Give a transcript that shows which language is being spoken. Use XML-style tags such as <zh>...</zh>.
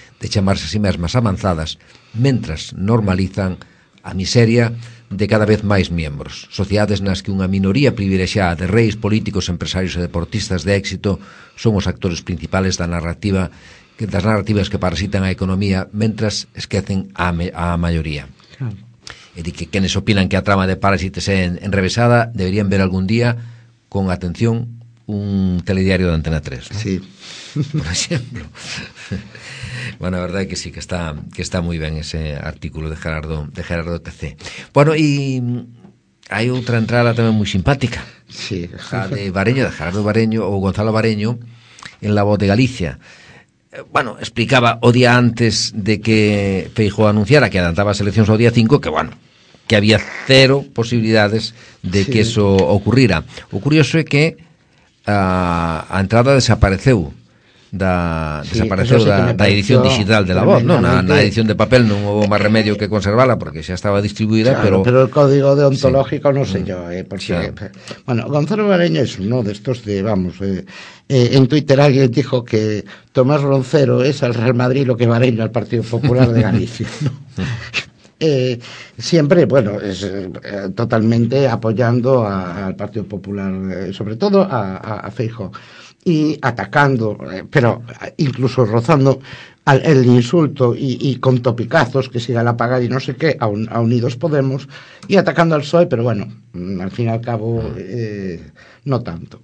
<gl>de chamarse a sí mesmas avanzadas mentras normalizan a miseria de cada vez máis miembros, sociedades nas que unha minoría privilexiada de reis, políticos, empresarios e deportistas de éxito son os actores principales da narrativa, das narrativas que parasitan a economía mentras esquecen a maioría. E di que quenes opinan que a trama de Parásites é enrevesada deberían ver algún día con atención un telediario de Antena 3, ¿no? Sí. Por exemplo. Bueno, a verdade é que sí, que está moi ben ese artículo de Gerardo TC. Bueno, e hai outra entrada tamén moi simpática. Sí. A de Bareño, de Gerardo Bareño, ou Gonzalo Bareño, en La Voz de Galicia. Bueno, explicaba o día antes de que Feijóo anunciara que adelantaba as eleccións ao día 5, que bueno, que había cero posibilidades de que eso ocurrira. O curioso é que a entrada desapareceu. Desapareceu da edición digital de La Voz, ¿no? Na edición de papel non houve máis remedio que conservala porque xa estaba distribuída, claro, pero o código deontológico non sei yo, porque, claro.</gl> <es>Bueno, Gonzalo Bareño</es> <gl>é uno destos de,</gl> <es>vamos, en Twitter alguien dijo que Tomás Roncero es al Real Madrid lo que Bareño al Partido Popular de Galicia, ¿no? Siempre, bueno, es totalmente apoyando al Partido Popular, sobre todo a Feijóo, y atacando, pero incluso rozando el insulto y con topicazos, que siga la paga y no sé qué, a Unidos Podemos, y atacando al PSOE, pero bueno, al fin y al cabo no tanto.</es>